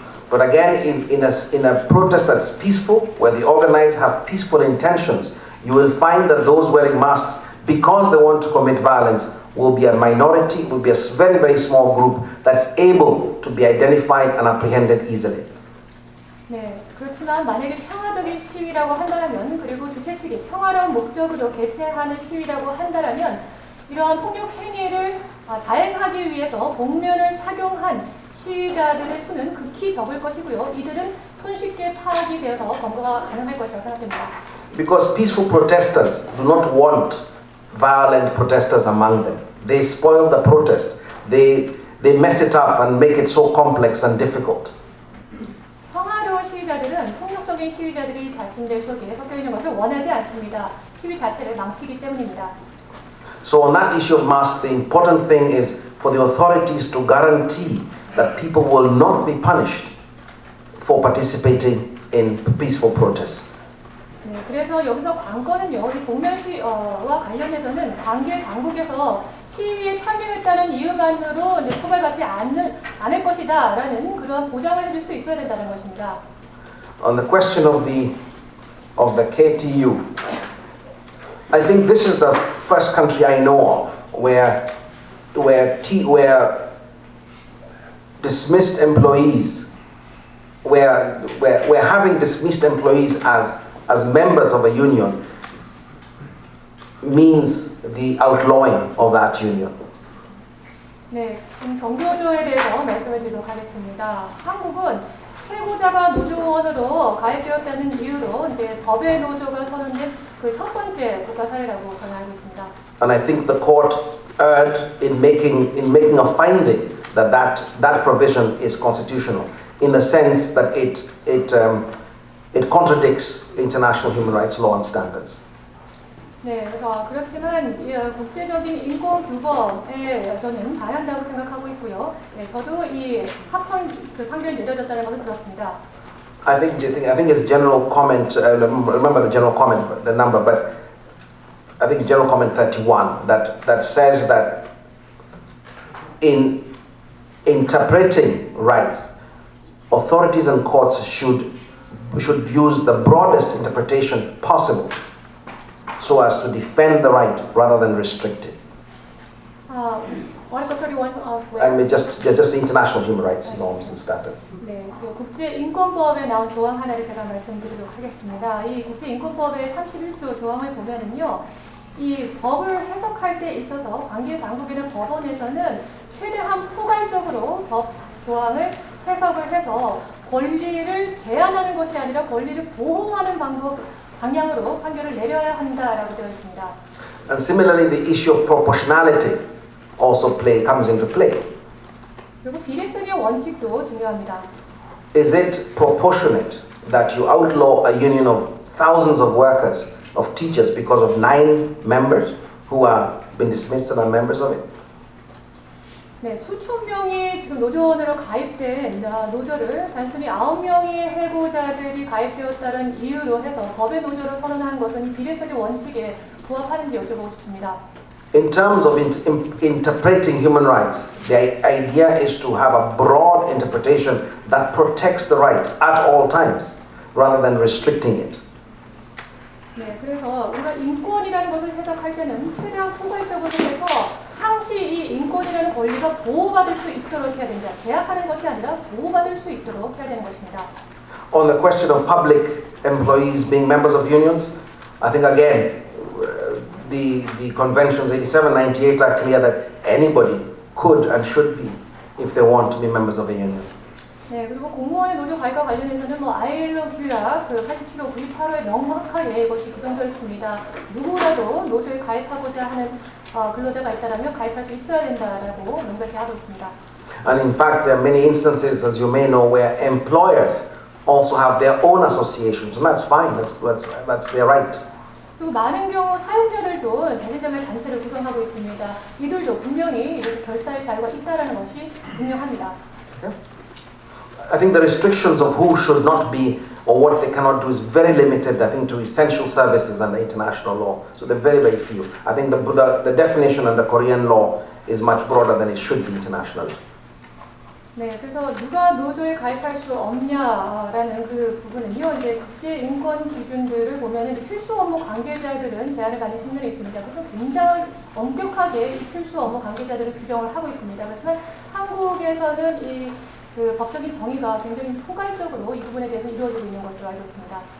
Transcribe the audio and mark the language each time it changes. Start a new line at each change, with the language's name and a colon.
English: But again, in a protest that's peaceful, where the organizers have peaceful intentions, you will find that those wearing masks, because they want to commit violence, will be a minority, will be a very, very small group that's able to be identified and apprehended easily.
Korean: 네, 그렇지만 만약에 평화적인 시위라고 한다면, 그리고 주최 측이 평화로운 목적으로 개최하는 시위라고 한다면, 이러한 폭력 행위를 자행하기 위해서 복면을 착용한 시위자들의 수는 극히 적을 것이고요. 이들은 손쉽게 파악이 되어서 검거가 가능할 것이라고 생각됩니다.
English: Because peaceful protesters do not want violent protesters among them. They spoil the protest. They mess it up and make it so complex and difficult.
Korean: 평화로운 시위자들은 폭력적인 시위자들이 자신들 속에 섞여 있는 것을 원하지 않습니다. 시위 자체를 망치기 때문입니다.
English: So on that issue of masks, the important thing is for the authorities to guarantee that people will not be punished for participating in peaceful protests.
Korean: 네, 그래서 여기서 관건은요, 이 복면 시위와 관련해서는 관계 당국에서 시위에 참여했다는 이유만으로 이제 처벌받지 않을 것이다라는 그런 보장을 해줄 수 있어야 된다는 것입니다.
English: On the question of the KTU, I think this is the first country I know of where dismissed employees where having dismissed employees as members of a union means the outlawing of that union.
Korean: 네, 그럼 정규노조에 대해서 말씀을 드리도록 하겠습니다. 한국은 해고자가 노조원으로 가입되었다는 이유로 이제 법의 노조가 선언된 그 첫 번째 국가 사례라고 저는 알고 있습니다.
English: And I think the court erred in making a finding that provision is constitutional in the sense that it contradicts international human rights law and standards.
Korean: 네, 그렇지만 국제적인 인권 규범에 저는 반한다고 생각하고 있고요. 네, 저도 이 합헌 그 판결 내려졌다는 것을 들었습니다.
English: I think it's general comment. Remember the general comment, the number, but I think general comment 31 that says that in interpreting rights, authorities and courts should use the broadest interpretation possible, so as to defend the right rather than restrict it. What is the 31 of where? I mean, just international human rights norms and standards.
Korean: 네, 그 국제인권법에 나온 조항 하나를 제가 말씀드리도록 하겠습니다. 이 국제인권법의 31조 조항을 보면은요, 이 법을 해석할 때 있어서 관계 당국이나 법원에서는 최대한 포괄적으로 법 조항을 해석을 해서 권리를 제한하는 것이 아니라 권리를 보호하는 방향으로 판결을 내려야 한다라고 되어 있습니다.
English: And similarly, the issue of proportionality. Also comes into play.
Korean: 그리고 비례성의 원칙도 중요합니다.
English: Is it proportionate that you outlaw a union of thousands of workers, of teachers, because of 9 members who have been dismissed and are members of it?
Korean: 네, 수천 명이 지금 노조원으로 가입된 노조를 단순히 9명의 해고자들이 가입되었다는 이유로 해서 법의 노조를 선언한 것은 비례성의 원칙에 부합하는지 여쭤보고 싶습니다.
English: In terms of interpreting human rights, the idea is to have a broad interpretation that protects the right at all times, rather than restricting it.
Korean: 네, 그래서 우리가 인권이라는 것을 해석할 때는 최대한 포괄적으로 해서 항시 이 인권이라는 권리가 보호받을 수 있도록 해야 됩니다. 제약하는 것이 아니라 보호받을 수 있도록 해야 되는 것입니다.
English: On the question of public employees being members of unions, I think again, the conventions 87, 98 are clear that anybody could and should be if they want to be members of a union.
Korean: 네, 그리고 공무원의 노조 가입과 관련해서는 뭐 ILO 규야 그 87호 98호에 명확하게 이것이 규정되어 있습니다. 누구라도 노조에 가입하고자 하는 근로자가 있다면 가입할 수 있어야 된다라고 명백히 하고 있습니다.
English: And in fact, there are many instances, as you may know, where employers also have their own associations, and that's fine. That's their right.
Korean: 그리고 많은 경우 사용자들도 자기들의 단체를 구성하고 있습니다. 이들도 분명히 이렇게 결사의 자유가 있다라는 것이 분명합니다.
English: I think the restrictions of who should not be or what they cannot do is very limited, I think, to essential services under international law. So they're very, very few. I think the definition under Korean law is much broader than it should be internationally.
Korean: 네, 그래서 누가 노조에 가입할 수 없냐라는 그 부분은요, 이제 국제인권 기준들을 보면 필수 업무 관계자들은 제한을 받는 측면이 있습니다. 그래서 굉장히 엄격하게 이 필수 업무 관계자들을 규정을 하고 있습니다. 그렇지만 한국에서는 이 그 법적인 정의가 굉장히 포괄적으로 이 부분에 대해서 이루어지고 있는 것으로 알고 있습니다.